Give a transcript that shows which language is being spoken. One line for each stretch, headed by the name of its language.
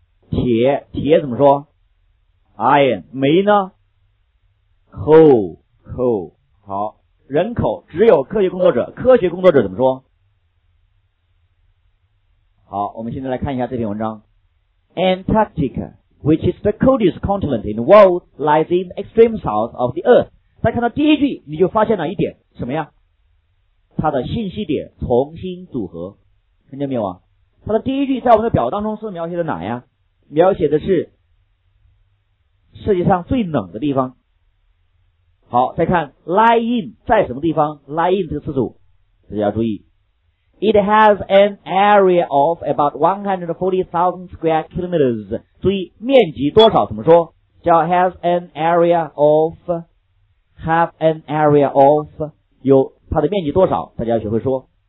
Chinese: 铁怎么说？iron， 煤呢？ coal， 好。人口只有科学工作者，科学工作者怎么说？好，我们现在来看一下这篇文章。
English: Antarctica, which is the coldest continent in the world, lies in the extreme south of the Earth.
Chinese: 再看到第一句，你就发现了一点，什么呀？它的信息点重新组合，看见没有啊？它的第一句在我们的表当中是描写的哪呀？描写的是世界上最冷的地方。好，再看 lie in 在什么地方， lie in 这个词组大家要注意，
English: it has an area of about 140,000 square kilometers，
Chinese: 注意面积多少怎么说，叫
English: has an area of， have an area of，
Chinese: 有它的面积多少大家要学会说。